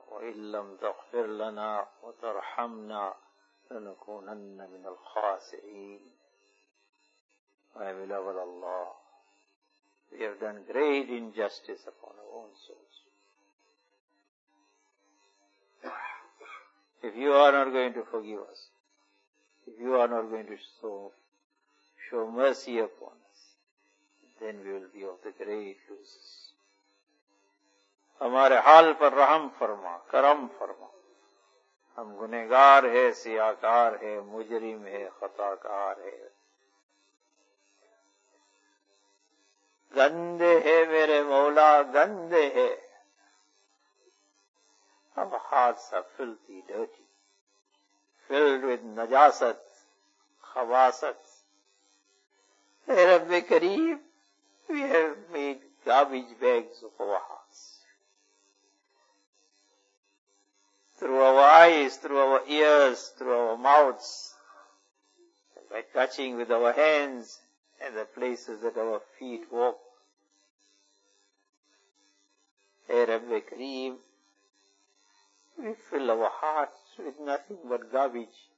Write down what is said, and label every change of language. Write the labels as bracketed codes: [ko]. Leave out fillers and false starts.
[ar] وإن لم تغفر لنا وترحمنا لنكونن من الخاسرين [en] My beloved Allah, we have done great injustice upon our own souls. If you are not going to forgive us, if you are not going to show mercy upon us, then we will be of the great losers. [ur] ہمارے حال پر رحم فرما کرم فرما ہم گنہگار ہے سیاہکار ہے مجرم ہے خطاکار ہے گندے ہے میرے مولا گندے ہے ہم حادثہ [en] Filthy dirty filled with نجاست خباست اے رب کریم we have made garbage bags of our hearts Through our eyes, through our ears, through our mouths, by touching with our hands and the places that our feet walk. Hey Rabbi Kareem, we fill our hearts with nothing but garbage.